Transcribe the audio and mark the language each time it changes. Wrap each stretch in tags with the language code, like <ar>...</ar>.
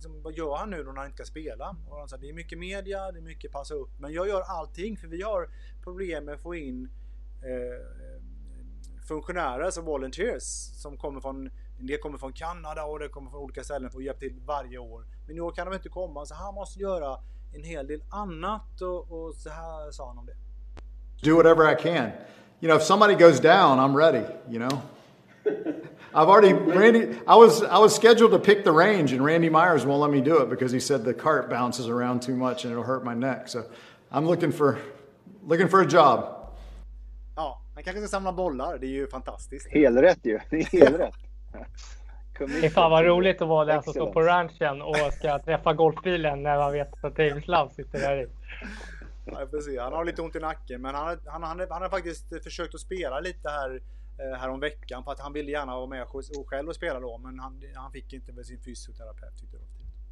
<sv>Vad gör han nu när han inte ska spela? Och han sa, det är mycket media, det är mycket passa upp, men jag gör allting för vi har problem med att få in funktionärer, alltså volunteers som kommer från, det kommer från Kanada och det kommer från olika ställen för att hjälpa till varje år. Men nu kan de inte komma, så han måste göra en hel del annat och så här sa han om det.</sv> <en>Do whatever I can. You know, if somebody goes down, I'm ready, you know. I've already, Randy, I was scheduled to pick the range and Randy Myers won't let me do it because he said the cart bounces around too much and it'll hurt my neck. So I'm looking for a job.</en> <sv>Ja, han kanske ska samla bollar, det är ju fantastiskt. Helrätt ju, helrätt. Det är fan vad roligt att vara den som står på ranchen och ska träffa golfbilen när man vet att Davis Love sitter där i. Ja, precis. Han har lite ont i nacken, men han har faktiskt försökt att spela lite här om veckan för att han ville gärna vara med själv och spela då, men han fick inte med sin fysioterapeut tyckte jag.</sv>